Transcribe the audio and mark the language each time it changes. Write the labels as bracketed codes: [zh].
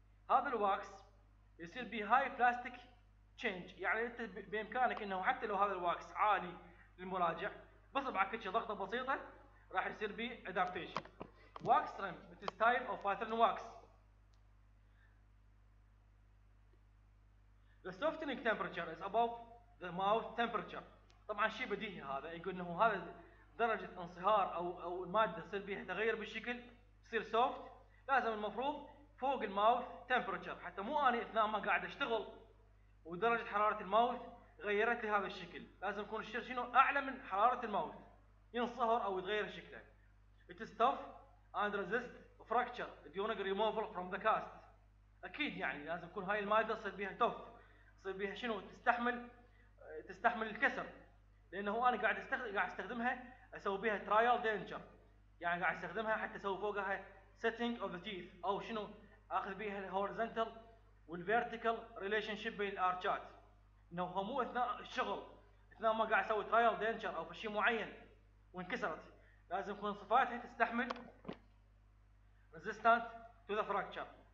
[ar] هذا الواكس يصير بيه هاي بلاستيك تشينج، يعني انت بامكانك انه حتى لو هذا الواكس عالي للمراجع بصبعك كذا ضغطه بسيطه راح يصير بيه ادابتيشن. [en] Wax rim bits type of pattern wax. The softening temperature is above the mouth temperature. [ar] طبعا شيء بديهي هذا، يقول انه هذا درجة انصهار او المادة تصير بيها تغير بالشكل تصير سوفت، لازم المفروض فوق الماوث تمبرتشر، حتى مو اني اثناء ما قاعد اشتغل ودرجة حرارة الماوث غيرت لي هذا الشكل، لازم يكون الشير شنو اعلى من حرارة الماوث ينصهر او يتغير شكله. [en] It is tough and resist fracture during removal from the cast. [ar] اكيد يعني لازم يكون هاي المادة تصير بيها tough، تصير بيها شنو تستحمل الكسر، لانه انا قاعد استخدمها اسوي بها ترايل دينجر، يعني قاعد استخدمها حتى اسوي فوقها سيتنج اوف ذا تيث او شنو اخذ بها الهوريزونتال والفيرتيكال ريليشن شيب بين الارشات، انه هو مو اثناء الشغل اثناء ما قاعد اسوي ترايل دينجر او في شيء معين وانكسرت، لازم تكون صفاتها تستحمل ريزيستنت تو ذا فراكتشر.